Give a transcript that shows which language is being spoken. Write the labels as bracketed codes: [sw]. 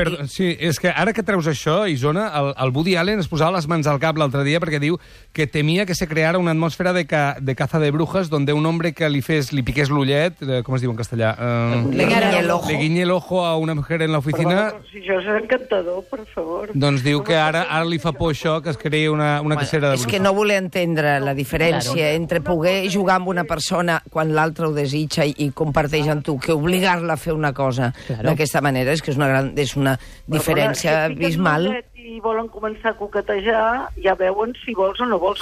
[ca] Sí, és que ara que treus això, Isona, el Woody Allen es posava les mans al cap l'altre dia perquè diu que temia que [es] se creara una atmosfera de caza de brujas donde un hombre [ca] que li piqués l'ullet, com es diu en castellà? [es] Le guiñe el ojo a una mujer en l'oficina. [ca] Però, si això és encantador, per favor. Doncs diu que ara li fa por això, que es creï una bueno, cacera de brujas. És que no voler entendre la diferència claro. entre poder jugar amb una persona quan l'altra ho desitja i comparteix amb tu que obligar-la a fer una cosa claro. d'aquesta manera és que és una gran, és una diferència abismal. Si et piques i volen començar a coquetejar, ja veuen si vols o no vols.